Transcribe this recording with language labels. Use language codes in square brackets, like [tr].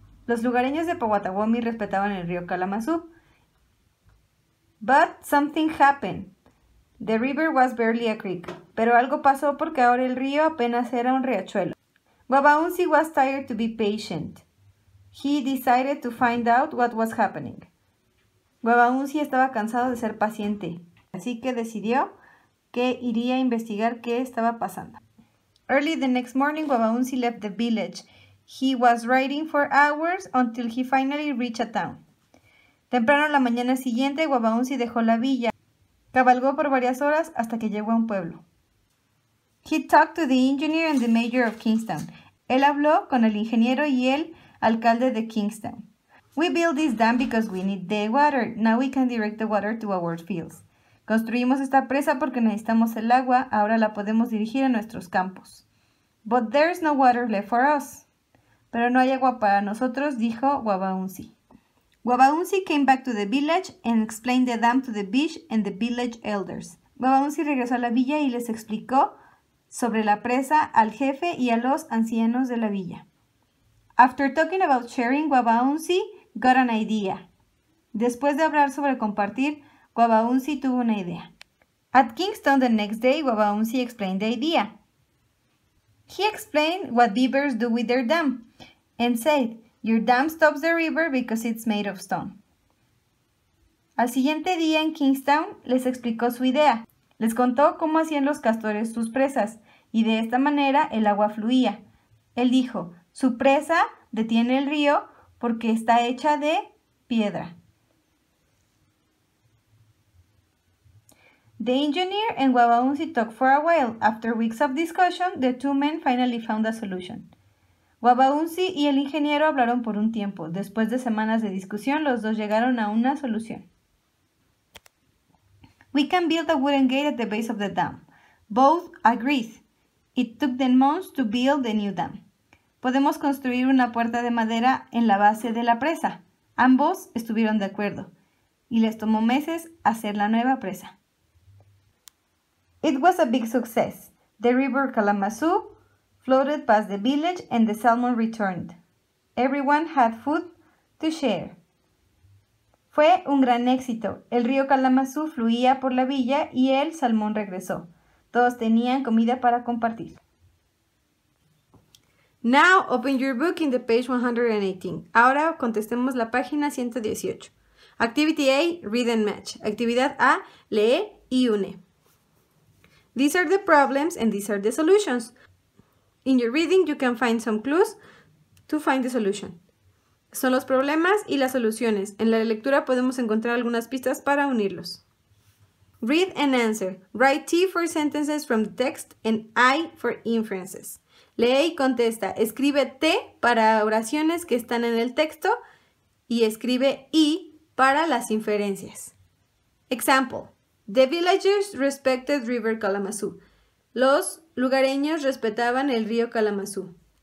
[es] Los lugareños de Pawatawomi respetaban el río Kalamazoo. [en] But something happened. The river was barely a creek, [es] pero algo pasó porque ahora el río apenas era un riachuelo. [en] Babaunzi was tired to be patient. He decided to find out what was happening. [es] Babaunzi estaba cansado de ser paciente, así que decidió que iría a investigar qué estaba pasando. [en] Early the next morning, Babaunzi left the village. He was riding for hours until he finally reached a town. [es] Temprano la mañana siguiente, Babaunzi dejó la villa. Cabalgó por varias horas hasta que llegó a un pueblo. [en] He talked to the engineer and the mayor of Kingstown. [es] Él habló con el ingeniero y el alcalde de Kingstown. [en] We built this dam because we need the water. Now we can direct the water to our fields. [es] Construimos esta presa porque necesitamos el agua. Ahora la podemos dirigir a nuestros campos. [en] But there's no water left for us. [es] Pero no hay agua para nosotros, dijo Wabaunsi. [en] Babaunzi came back to the village and explained the dam to the beach and the village elders. [es] Babaunzi regresó a la villa y les explicó sobre la presa al jefe y a los ancianos de la villa. [en] After talking about sharing, Babaunzi got an idea. [es] Después de hablar sobre compartir, Babaunzi tuvo una idea. [en] At Kingston the next day, Babaunzi explained the idea. He explained what beavers do with their dam and said, "Your dam stops the river because it's made of stone." [es] Al siguiente día en Kingstown les explicó su idea. Les contó cómo hacían los castores sus presas y de esta manera el agua fluía. Él dijo, "Su presa detiene el río porque está hecha de piedra." [en] The engineer and Wabaunzi talked for a while. After weeks of discussion, the two men finally found a solution. [es] Wabaunzi y el ingeniero hablaron por un tiempo. Después de semanas de discusión, los dos llegaron a una solución. [en] We can build a wooden gate at the base of the dam. Both agreed. It took them months to build the new dam. [es] Podemos construir una puerta de madera en la base de la presa. Ambos estuvieron de acuerdo. Y les tomó meses hacer la nueva presa. [en] It was a big success. The river Kalamazoo floated past the village and the salmon returned. Everyone had food to share. [es] Fue un gran éxito. El río Kalamazoo fluía por la villa y el salmón regresó. Todos tenían comida para compartir. [en] Now open your book in the page 118. [es] Ahora contestemos la página 118. [en] Activity A, read and match. [es] Actividad A, lee y une. [en] These are the problems and these are the solutions. In your reading, you can find some clues to find the solution. [es] Son los problemas y las soluciones. En la lectura podemos encontrar algunas pistas para unirlos. [en] Read and answer. Write T for sentences from the text and I for inferences. [es] Lee y contesta. Escribe T para oraciones que están en el texto y escribe I para las inferencias. Example. [en] The villagers respected River Kalamazoo. [es] Los lugareños respetaban el río Kalamazoo.